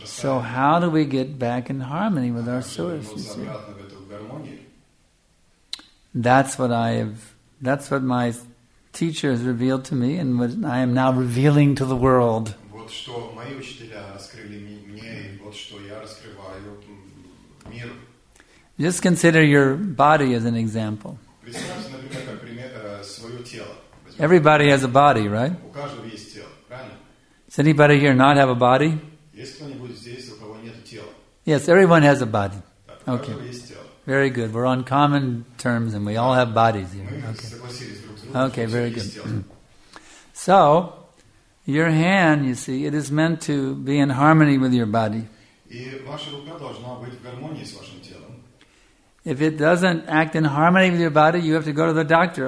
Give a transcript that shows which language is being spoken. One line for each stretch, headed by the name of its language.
English: So how do we get back in harmony with our source, you see? That's what my teacher has revealed to me, and what I am now revealing to the world.
Russian: Вот что мои учителя раскрыли мне, и вот что я раскрываю миру.
English: Just consider your body as an example.
Russian: Представьте, например, как пример свое тело.
English: Everybody has a body, right?
Russian: У каждого есть тело, правильно?
English: Does anybody here not have a body?
Russian: Есть кто-нибудь здесь, у кого нет тела?
English: Yes, everyone has a body. Okay. Very good. We're on common terms and we all have bodies. You know? Okay. Okay, very good. So, your hand, you see, it is meant to be in harmony with your body. If it doesn't act in harmony with your body, you have to go to the doctor.